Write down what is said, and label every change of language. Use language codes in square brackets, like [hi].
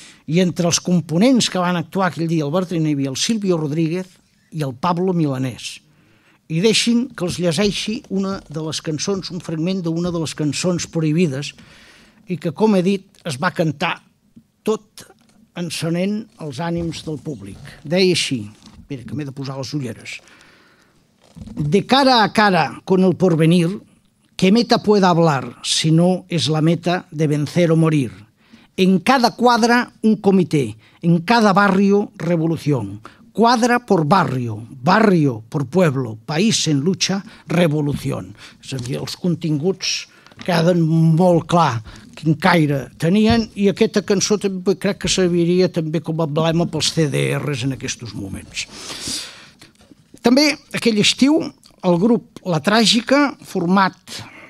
[ca] I entre els components que van actuar aquell dia al Bertrina hi havia el Silvio Rodríguez i el Pablo Milanés. I deixin que els llegeixi una de les cançons, un fragment d'una de les cançons prohibides, i que, com he dit, es va cantar tot encenent els ànims del públic. Deia així, mira que m'he de posar les ulleres: [es] de cara a cara con el porvenir, ¿qué meta puede hablar si no es la meta de vencer o morir? En cada cuadra un comité, en cada barrio revolución, cuadra por barrio, barrio por pueblo, país en lucha, revolución. [ca] És a dir, els continguts queden molt clar quin caire tenien, i aquesta cançó també crec que serviria també com a emblema pels CDRs en aquests moments. També aquell estiu el grup La Tràgica, format